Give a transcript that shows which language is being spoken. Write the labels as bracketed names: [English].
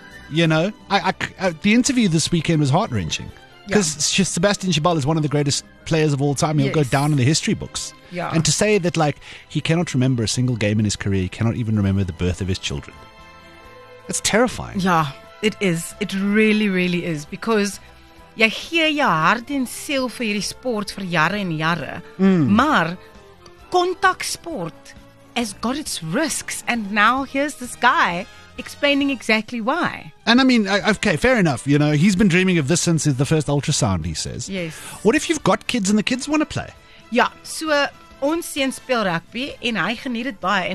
[English] You know, the interview this weekend was heart-wrenching. Because yeah. Sebastian Chabal is one of the greatest players of all time. He'll go down in the history books. Yeah. And to say that, like, he cannot remember a single game in his career. He cannot even remember the birth of his children. That's terrifying. Yeah. It is. It really, really is. [Afrikaans] Because jy gee jou hart en siel vir hierdie sport vir jare en jare. Mm. [English] Maar contact sport has got its risks. And now here's this guy explaining exactly why. And I mean, okay, fair enough. You know, he's been dreaming of this since the first ultrasound, he says. Yes. What if you've got kids and the kids want to play? [Afrikaans] Ja, so ons seun speel rugby en hy geniet het baie.